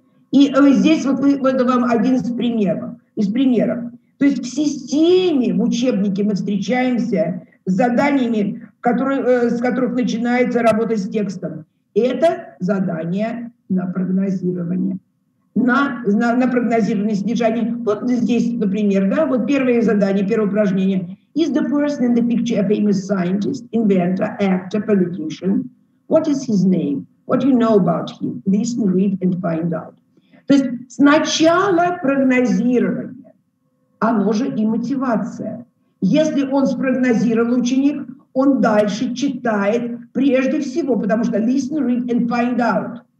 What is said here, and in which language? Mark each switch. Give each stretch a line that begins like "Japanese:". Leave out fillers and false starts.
Russian: И здесь вот это вам один из примеров, То есть в системе, в учебнике мы встречаемся с заданиями, с которых начинается работа с текстом. Это задание на прогнозирование, на прогнозирование содержания. Вот здесь, например, да, вот первое задание, первое упражнение.
English: Is the person in the picture a famous scientist, inventor, actor, politician? What is his name? What do you know about him? Listen, read and find out.
Russian: То есть сначала прогнозирование, оно же и мотивация. Если он спрогнозировал ученик, он дальше читает прежде всего, потому что
English: listen, read and find out.